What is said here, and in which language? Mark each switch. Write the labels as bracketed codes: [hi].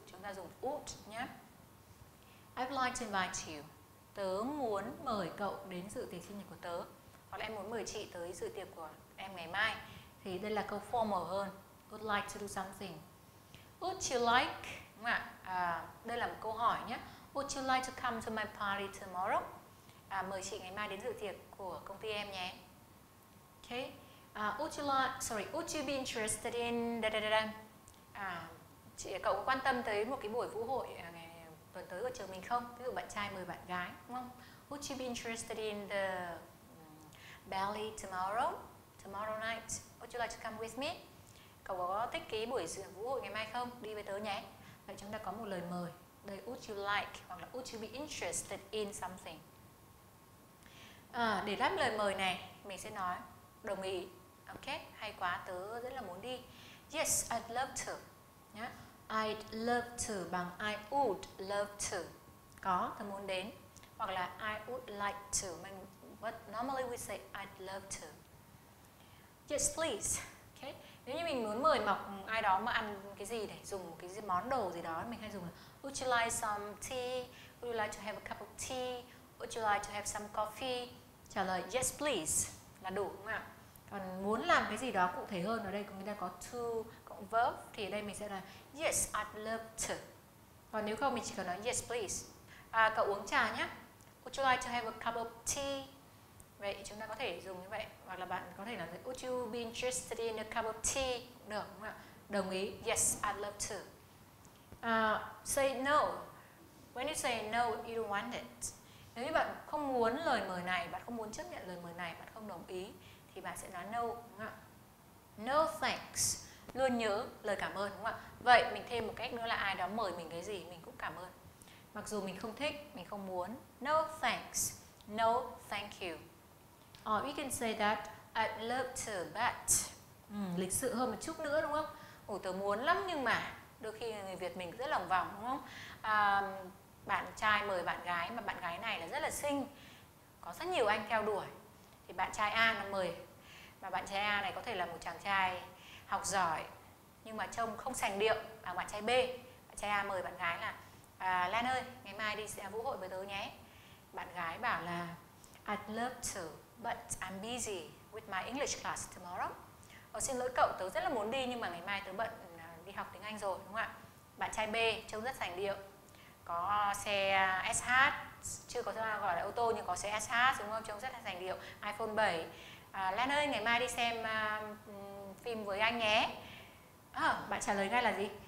[vi] Chúng ta dùng would nhé. [en] I'd like to invite you. [vi] Tớ muốn mời cậu đến dự tiệc sinh nhật của tớ. Hoặc là em muốn mời chị tới dự tiệc của em ngày mai. Thì đây là câu formal hơn. [en] Would like to do something. Would you like, [vi] đúng không ạ? Đây là một câu hỏi nhé. [en] Would you like to come to my party tomorrow? [vi] Mời chị ngày mai đến dự tiệc của công ty em nhé. Okay. [en] Would you be interested in da da da da? [vi] Chị, cậu có quan tâm tới một cái buổi vũ hội ngày tuần tới của trường mình không? Ví dụ bạn trai mời bạn gái, đúng không? [en] Would you be interested in the ballet tomorrow night? Would you like to come with me? [vi] Cậu có thích cái buổi vũ hội ngày mai không? Đi với tớ nhé. Vậy chúng ta có một lời mời. [en] Đây, would you like, [vi] hoặc là [en] would you be interested in something? [vi] Để đáp lời mời này, mình sẽ nói đồng ý. Ok, hay quá, tớ rất là muốn đi. [en] Yes, I'd love to. Yeah. I'd love to [vi] bằng [en] I would love to. [vi] Có, tớ muốn đến. Hoặc là [en] I would like to. But normally we say I'd love to. Yes, please. Okay. [vi] Nếu như mình muốn mời mọc ai đó mà ăn cái gì để dùng cái gì, món đồ gì đó, mình hay dùng là [en] would you like some tea? Would you like to have a cup of tea? Would you like to have some coffee? [vi] Trả lời [en] yes please [vi] là đủ, đúng không ạ? Còn muốn làm cái gì đó cụ thể hơn, ở đây người ta có to cộng verb, thì ở đây mình sẽ là [en] yes I'd love to. [vi] Còn nếu không mình chỉ cần nói [en] yes please. [vi] Cậu uống trà nhé. [en] Would you like to have a cup of tea? [vi] Vậy chúng ta có thể dùng như vậy, hoặc là bạn có thể là [en] would you be interested in a cup of tea? [vi] Được, đúng không ạ? Đồng ý, [en] yes, I'd love to. Say no. When you say no, you don't want it. [vi] Nếu như bạn không muốn lời mời này, bạn không muốn chấp nhận lời mời này, bạn không đồng ý, thì bạn sẽ nói no, đúng không ạ? [en] No thanks. [vi] Luôn nhớ lời cảm ơn, đúng không ạ? Vậy mình thêm một cách nữa là ai đó mời mình cái gì, mình cũng cảm ơn. Mặc dù mình không thích, mình không muốn. [en] No thanks. No thank you. Or you can say that I'd love to, but [vi] lịch sự hơn một chút nữa, đúng không? Ủa, tớ muốn lắm nhưng mà. Đôi khi người Việt mình rất lòng vòng, đúng không? Bạn trai mời bạn gái, mà bạn gái này là rất là xinh, có rất nhiều anh theo đuổi, thì bạn trai A nó mời, mà bạn trai A này có thể là một chàng trai học giỏi nhưng mà trông không sành điệu, và bạn trai B, bạn trai A mời bạn gái là Lan ơi, ngày mai đi vũ hội với tớ nhé. Bạn gái bảo là [en] I'd love to, but I'm busy with my English class tomorrow. [vi] Xin lỗi cậu, tớ rất là muốn đi nhưng mà ngày mai tớ bận đi học tiếng Anh rồi, đúng không ạ? Bạn trai B trông rất sành điệu, có xe SH, chưa có sao gọi là ô tô nhưng có xe SH, đúng không? Trông rất là sành điệu, iPhone 7. Lan ơi, ngày mai đi xem phim với anh nhé. Bạn trả lời ngay là gì?